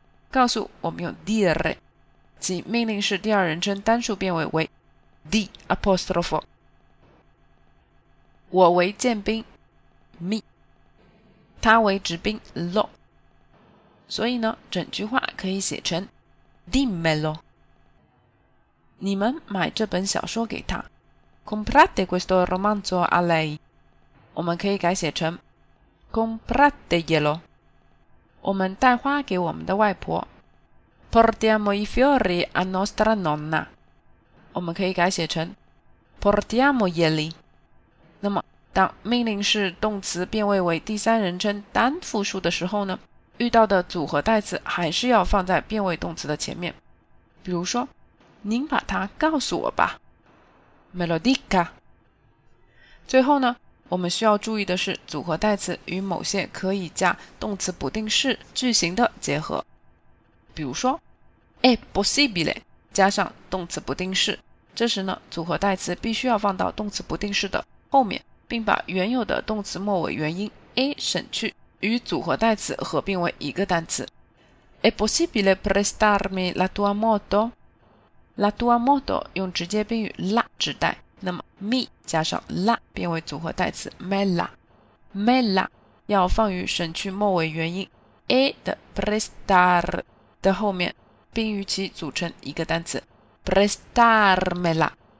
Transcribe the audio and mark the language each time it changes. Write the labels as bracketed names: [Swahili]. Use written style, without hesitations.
[Chinese] 告诉我们用 dire， 即命令式第二人称单数变位为 di apostrofo。我为建兵 ，me。他为执兵 lo， 所以呢，整句话可以写成 dimmelo。你们买这本小说给他 ， [Italian] comprate questo romanzo a lei。 [Chinese] 我们可以改写成 [Italian] comprate glielo。 [Chinese] 我们带花给我们的外婆 ， [Italian] portiamo i fiori a nostra nonna。 [Chinese] 我们可以改写成 [Italian] portiamo glieli。 [Chinese] 那么。当命令式动词变位为第三人称单复数的时候呢，遇到的组合代词还是要放在变位动词的前面。比如说，您把它告诉我吧 ， [Italian] me lo dica。 [Chinese] 最后呢，我们需要注意的是组合代词与某些可以加动词不定式句型的结合。比如说 ，è possibile 加上动词不定式，这时呢，组合代词必须要放到动词不定式的后面。并把原有的动词末尾元音 a 省去，与组合代词合并为一个单词。 [Italian] È possibile prestarmi la tua moto? La tua moto [Chinese] 用直接宾语 la 指代，那么 mi 加上 la 变为组合代词 me la。 me la 要放于省去末尾元音 a 的 prestar 的后面，并与其组成一个单词 prestarmela。